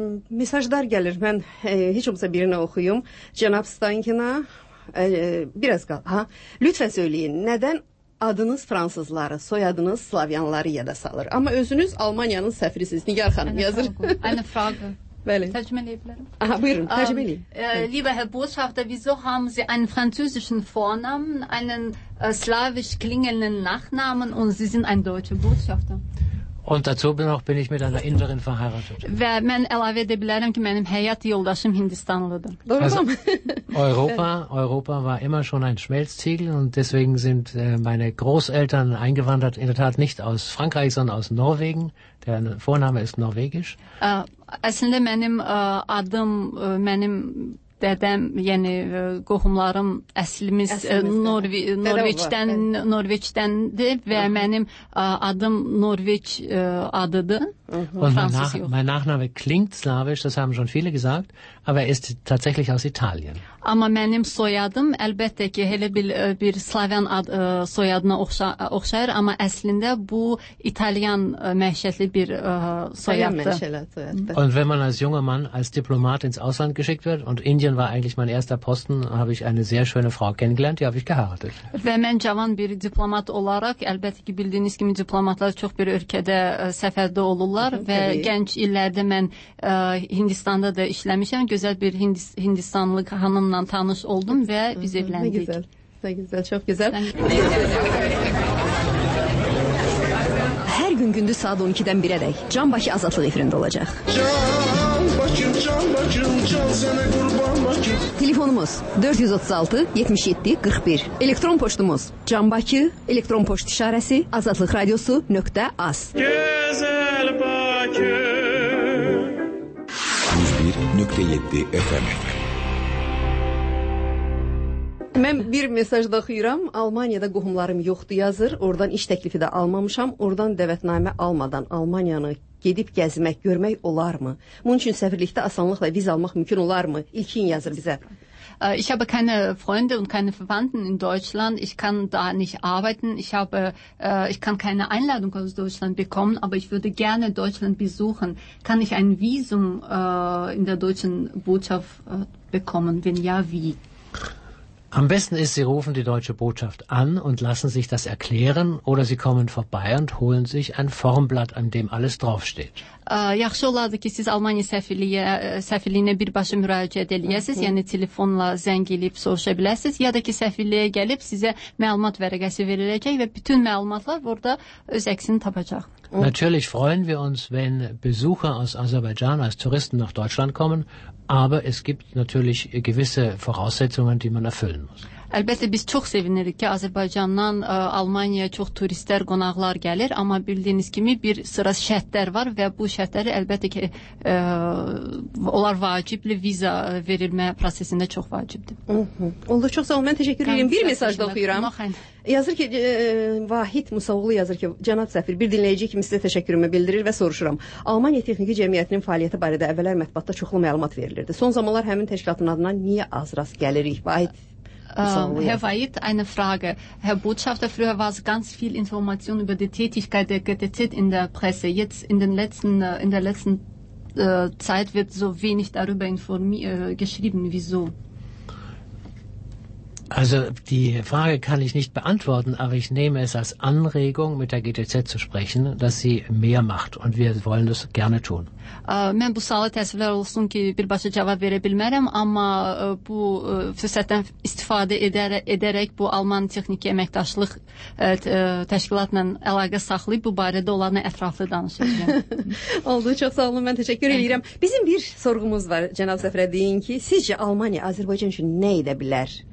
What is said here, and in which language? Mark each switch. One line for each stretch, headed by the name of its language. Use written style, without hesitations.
Azerbaijani: Mesajlar gəlir, mən heç olmasa birini oxuyum. Cənab Steinkena, biraz qal. Aha. Lütfən söyləyin, nədən adınız fransızları, soyadınız slavyanları yada salır. Amma özünüz Almanyanın səfirisiniz. Nigar xanım yazır.
German: Eine Frage.
Azerbaijani: Bəli. Təcrübə edə bilərəm. Aha, buyurun, təcrübə edin.
German: Lieber Herr Botschafter, wieso haben Sie einen französischen Vornamen, einen slawisch klingenden Nachnamen und Sie sind ein deutscher Botschafter? Und dazu noch bin ich mit einer Inderin verheiratet.
Azerbaijani: Ve mən əlavə edə bilərəm ki, mənim həyat yoldaşım Hindistanlıdır. Doğru mu?
German: Europa war immer schon ein Schmelztiegel und deswegen sind meine Großeltern eingewandert, in der Tat nicht aus Frankreich, sondern aus Norwegen. Der Vorname ist norwegisch.
Azerbaijani: Əslində mənim adım, mənim dədəm, yəni qohumlarım əslimiz Norveçdəndir və mənim adım Norveç adıdır.
German: Und mein Nachname klingt slavisch, das haben schon viele gesagt, aber er ist tatsächlich aus Italien.
Azerbaijani: Amma mənim soyadım əlbəttə ki, elə bir slavyan soyadına oxşayır, amma əslində bu italyan məhşətli bir soyaddır.
German: Und wenn man als junger Mann als Diplomat ins Ausland geschickt wird und Indien war eigentlich mein erster Posten, habe ich eine sehr schöne Frau kennengelernt, die habe ich geheiratet.
Azerbaijani: Və mən cavan bir diplomat olaraq, əlbəttə ki, bildiyiniz kimi diplomatlar çox bir ölkədə səfərdə olurlar. qanunlar və təbii. Gənc illərdə mən Hindistanda da işləmişəm. Gözəl bir Hindistanlı hanımla tanış oldum və biz evləndik. Nə gözəl. Nə gözəl, çox gözəl. Hər gün gündüz saat 12-dən 1-ə dək Can Bakı Azadlıq efirində olacaq. Telefonumuz 436-77-41. Elektron poçtumuz canbakı, elektron poçt işarəsi azadlıqradiosu.az. Gözəl Bakı 101.7 FM. Mən bir mesaj da oxuyuram. Almaniyada qohumlarım yoxdur yazır. Oradan iş təklifi də almamışam. Oradan dəvətnamə almadan Almaniyanı gedib gəzmək, görmək olarmı? Bunun üçün səfirlikdə asanlıqla viza almaq mümkün olarmı? İlkin yazır bizə.
German: Ich habe keine Freunde und keine Verwandten in Deutschland. Ich kann da nicht arbeiten. Ich kann keine Einladung aus Deutschland bekommen, aber ich würde gerne Deutschland besuchen. Kann ich ein Visum in der deutschen Botschaft bekommen? Wenn ja, wie? Am besten ist, Sie rufen die deutsche Botschaft an und lassen sich das erklären oder Sie kommen vorbei und holen sich ein Formblatt, an dem alles draufsteht.
Azerbaijani: Yaxşı olardı ki, siz Almaniya səfirliyinə birbaşa müraciət edəyəsiniz, yəni telefonla zəng edib soruşa bilərsiniz, ya da ki, səfirliyə gəlib sizə məlumat vərəqəsi veriləcək və bütün məlumatlar burada öz əksini tapacaq.
German: Natürlich freuen wir uns, wenn Besucher aus Aserbaidschan, als Touristen nach Deutschland kommen, aber es gibt natürlich gewisse Voraussetzungen, die man erfüllen muss.
Azerbaijani: Əlbəttə, biz çox sevinirik ki, Azərbaycandan Almaniyaya çox turistlər, qonaqlar gəlir, amma bildiyiniz kimi bir sıra şərtlər var və bu şərtləri əlbəttə ki, onlar vacibli, viza verilmə prosesində çox vacibdir. Oldu, çox sağ olun, mən təşəkkür edirəm. Bir mesaj da oxuyuram. Yazır ki, Vahid Musaoğlu yazır ki, cənab səfir, bir dinləyici kimi sizə təşəkkürümü bildirir və soruşuram. Almaniya Texniki Cəmiyyətinin fəaliyyəti barədə əvvəllər mətbuatda çoxlu məlumat verilirdi. Son zamanlar həmin təşkilatın adına niyə az rast gəlirik, Vahid?
German: Herr Vahid, eine Frage. Herr Botschafter, früher war es ganz viel Information über die Tätigkeit der GTZ in der Presse. Jetzt in der letzten Zeit wird so wenig darüber geschrieben. Wieso? Also die Frage kann ich nicht beantworten, aber ich nehme es als Anregung, mit der GTZ zu sprechen, dass sie mehr macht. Und wir wollen das gerne tun.
Azerbaijani: Mən bu suala təəssüflər olsun ki, birbaşa cavab verə bilmərəm, amma bu fürsətdən istifadə edərək bu Alman Texniki Əməkdaşlıq təşkilatla əlaqə saxlayıb, bu barədə onlarla ətraflı danışacaq. Oldu, çox sağ olun, mən təşəkkür edirəm. Bizim bir sorğumuz var, cənab səfirə, deyin ki, sizcə Almaniya Azərbaycan üçün nə edə bilər?